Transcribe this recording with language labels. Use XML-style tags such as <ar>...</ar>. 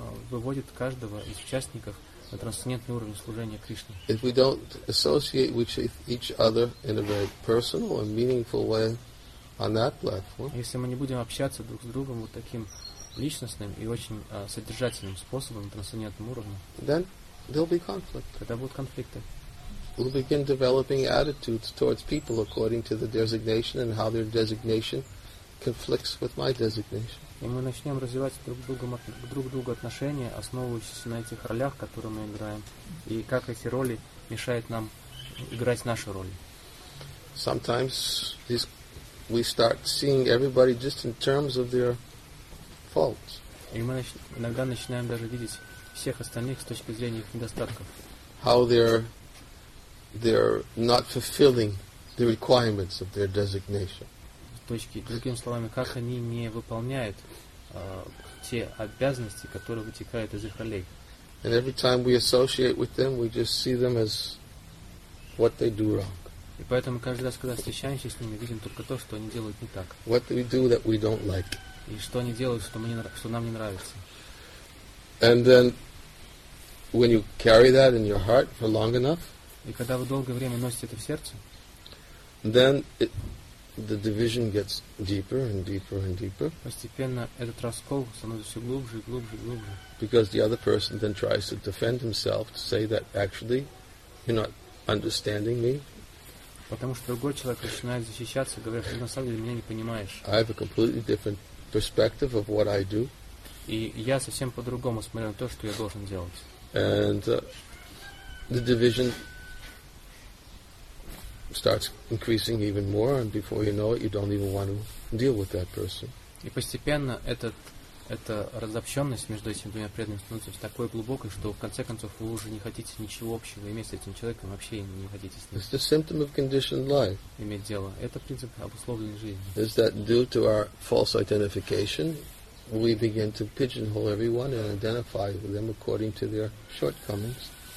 <ru>Выводит каждого из участников на трансцендентный уровень служения Кришне.</ru> <en>If we don't associate with each other in a very personal and meaningful way on that platform,</en> <ru>если мы не будем общаться друг с другом вот таким личностным и очень содержательным способом на трансцендентном уровне,</ru> <en>then there'll be conflict.</en> <ru>Тогда будут конфликты.</ru> <en>We'll begin developing attitudes towards people according to the designation and how their designation conflicts with my designation.</en> <ru>И мы начнем развивать друг к другу отношения, основываясь на этих ролях, которые мы играем, и как эти роли мешают нам играть наши роли.</ru> <en>Sometimes we start seeing everybody just in terms of their faults.</en> <ru>И мы иногда начинаем даже видеть всех остальных с точки зрения их недостатков.</ru> <en>How they're not fulfilling the requirements of their designation.</en> <ru>Точки. Другими словами, как они не выполняют те обязанности, которые вытекают из их ролей.</ru> <en>And every time we associate with them, we just see them as what they do wrong.</en> <ru>И поэтому каждый раз, когда встречаемся с ними, видим только то, что они делают не так.</ru> <en>What do we do that we don't like?</en> <ru>И что они делают, что нам не нравится.</ru> <en>And then, when you carry that in your heart for long enough,</en> <ru>и когда вы долгое время носите это в сердце,</ru> <en>then the division gets deeper and deeper and deeper.</en> <ru>Постепенно этот раскол становится все глубже и глубже и глубже.</ru> <en>Because the other person then tries to defend himself to say that actually you're not understanding me.</en> <ru>Потому что другой человек начинает защищаться, говоря, что на самом деле меня не понимаешь.</ru> <en>I have a completely different perspective of what I do.</en> <ru>И я совсем по-другому смотрю на то, что я должен делать.</ru> <en>And the division starts increasing even more, and before you know it, you don't even want to deal with that person.</en> <ru>И постепенно эта разобщенность между этими двумя преданными становится такой глубокой, что в конце концов вы уже не хотите ничего общего иметь с этим человеком, вообще не хотите с ним.</ru> <en>It's the symptom of conditioned life.</en> <ru>Иметь дело. Это принцип обусловленной жизни.</ru> <en>Is that due to our false identification, we begin to pigeonhole everyone and identify them according to their shortcomings?</en>